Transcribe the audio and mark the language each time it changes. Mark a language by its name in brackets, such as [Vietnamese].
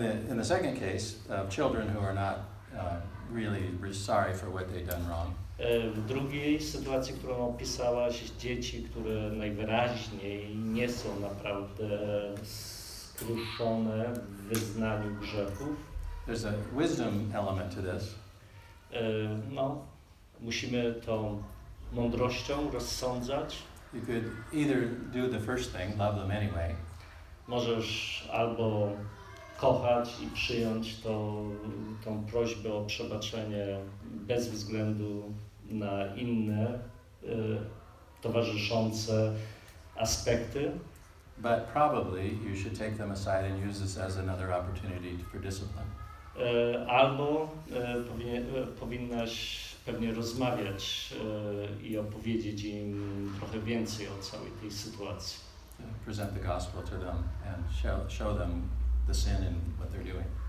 [English] In the second case, children who are not really sorry for what they've done wrong. [Polish] W drugiej sytuacji, którą opisałaś, dzieci, które najwyraźniej nie są naprawdę skruszone w wyznaniu grzechów. [English] There's a wisdom element to this. [Polish] No, musimy tą mądrością rozsądzać. [English] You could either do the first thing, love them anyway. [Polish] Możesz albo kochać i przyjąć tą prośbę o przebaczenie bez względu na inne towarzyszące aspekty. [English] But probably you should take them aside and use this as another opportunity for discipline. [Polish] Albo powinnaś pewnie rozmawiać i opowiedzieć im trochę więcej o całej tej sytuacji. [English] Present the gospel to them and show them the sin and what they're doing.